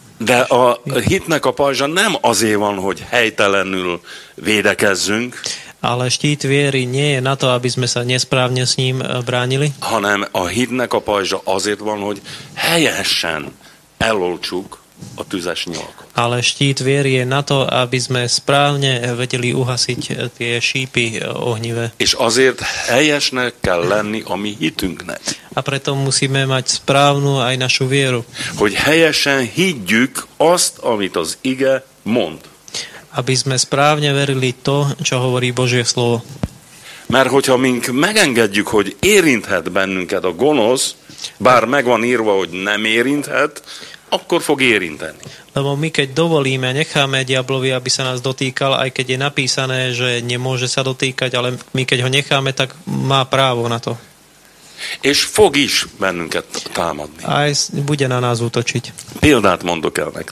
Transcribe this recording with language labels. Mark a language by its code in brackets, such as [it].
[hu] De a hitnek a pajzsa nem azért van, hogy helytelenül védekezzünk. [sk] Ale štít viery nie je na to, aby sme sa nesprávne s ním bránili. [hu] Hanem a hitnek a pajzsa azért van, hogy helyesen elolčuk a tüzes nyilak. [sk] Ale štít viery je na to, aby sme správne vedeli uhasiť tie šípy ohnivé. [hu] És azért helyesnek kell lenni a mi hitünknek. [sk] A preto musíme mať správnu aj našu vieru. [hu] Hogy helyesen higgyük azt, amit az ige mond. [sk] Aby sme správne verili to, čo hovorí Božie slovo. [hu] Mert hogyha mink megengedjük, hogy érinthet bennünket a gonosz, bár megvan írva, hogy nem érinthet, akkor fog érinteni. [sk] Lebo my keď dovolíme, necháme diablovi, aby sa nás dotýkal, aj keď je napísané, že nemôže sa dotýkať, ale my keď ho necháme, tak má právo na to. [hu] És fog is bennünket támadni. [sk] Aj bude na nás útočiť. [hu] Példát mondok el nektek.